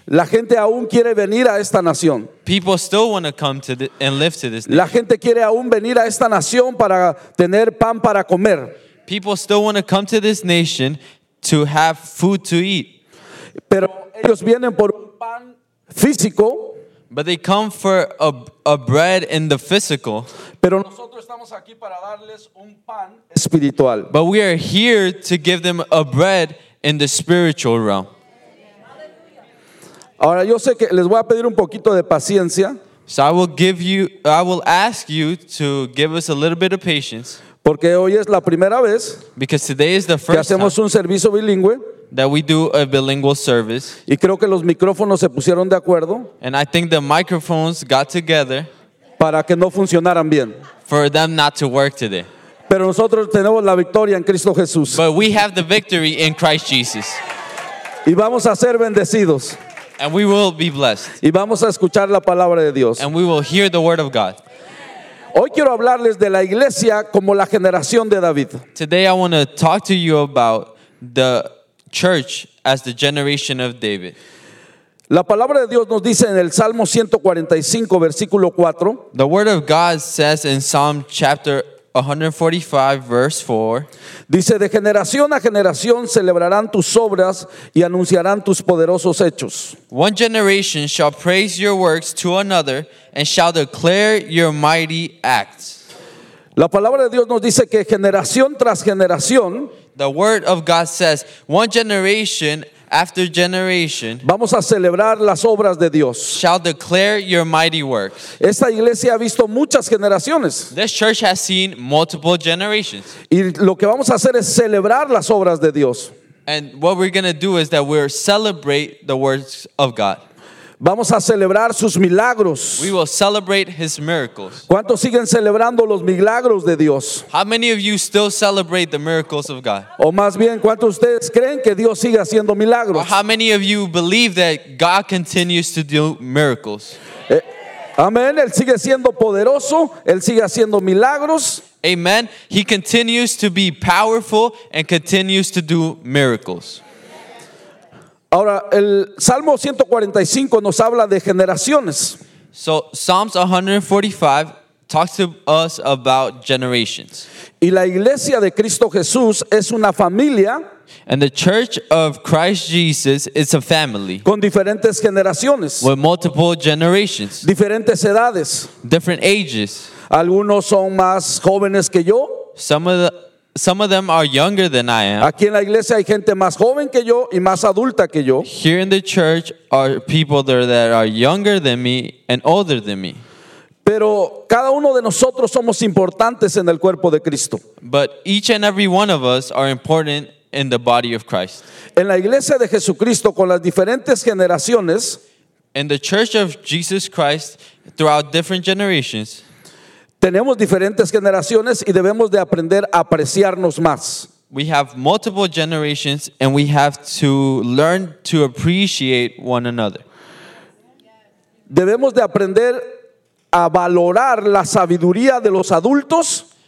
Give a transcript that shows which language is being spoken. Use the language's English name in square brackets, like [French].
[Spanish] La gente aún quiere venir a esta nación. [English] People still want to come to and live to this nation. [Spanish] La gente quiere aún venir a esta nación para tener pan para comer. [English] People still want to come to this nation to have food to eat. [Spanish] Pero ellos vienen por un pan físico. [English] But they come for a bread in the physical. [Spanish] Pero nosotros estamos aquí para darles un pan espiritual. [English] But we are here to give them a bread in the spiritual realm. [Spanish] Ahora yo sé que les voy a pedir un poquito de paciencia. [English] So I will ask you to give us a little bit of patience. [Spanish] Porque hoy es la primera vez. [English] Because today is the first [Spanish] que hacemos [English] time [Spanish] un servicio bilingüe. [English] That we do a bilingual service. [Spanish] Y creo que los micrófonos se pusieron de acuerdo. [English] And I think the microphones got together. [Spanish] Para que no funcionaran bien. [English] For them not to work today. [Spanish] Pero nosotros tenemos la victoria en Cristo Jesús. [English] But we have the victory in Christ Jesus. [Spanish] Y vamos a ser bendecidos. [English] And we will be blessed. [Spanish] Y vamos a escuchar la palabra de Dios. [English] And we will hear the word of God. [Spanish] Hoy quiero hablarles de la iglesia como la generación de David. [English] Today I want to talk to you about the church as the generation of David. [Spanish] La palabra de Dios nos dice en el Salmo 145, versículo 4. [English] The word of God says in Psalm chapter 145, verse 4. [Spanish] Dice, de generación a generación celebrarán tus obras y anunciarán tus poderosos hechos. [English] One generation shall praise your works to another and shall declare your mighty acts. [Spanish] La palabra de Dios nos dice que generación tras generación, [English] the word of God says, one generation after generation, [Spanish] vamos a celebrar las obras de Dios. [English] Shall declare your mighty works. [Spanish] Esta iglesia ha visto muchas generaciones. [English] This church has seen multiple generations. [Spanish] Y lo que vamos a hacer es celebrar las obras de Dios. [English] And what we're going to do is that we're celebrate the works of God. [Spanish] Vamos a celebrar sus milagros. [English] We will celebrate his miracles. [Spanish] ¿Cuántos siguen celebrando los milagros de Dios? [English] How many of you still celebrate the miracles of God? [Spanish] O más bien, ¿cuántos ustedes creen que Dios sigue haciendo milagros? [English] Or how many of you believe that God continues to do miracles? [Spanish] Amén, él sigue siendo poderoso, él sigue haciendo milagros. [English] Amen. He continues to be powerful and continues to do miracles. [Spanish] Ahora, el Salmo 145 nos habla de generaciones. [English] So, Psalms 145 talks to us about generations. [Spanish] Y la iglesia de Cristo Jesús es una familia. [English] And the church of Christ Jesus is a family. [Spanish] Con diferentes generaciones. [English] With multiple generations. [Spanish] Diferentes edades. [English] Different ages. [Spanish] Algunos son más jóvenes que yo. [English] Some of them are younger than I am. [Spanish] Aquí en la iglesia hay gente más joven que yo y más adulta que yo. [English] Here in the church are people that are younger than me and older than me. [Spanish] Pero cada uno de nosotros somos importantes en el cuerpo de Cristo. [English] But each and every one of us are important in the body of Christ. [Spanish] En la iglesia de Jesucristo con las diferentes generaciones. [English] In the church of Jesus Christ throughout different generations. [Spanish] Tenemos diferentes generaciones y debemos de aprender a apreciarnos más. [English] We have multiple generations and we have to learn to appreciate one another. [Spanish] Debemos de aprender a valorar la sabiduría de los adultos.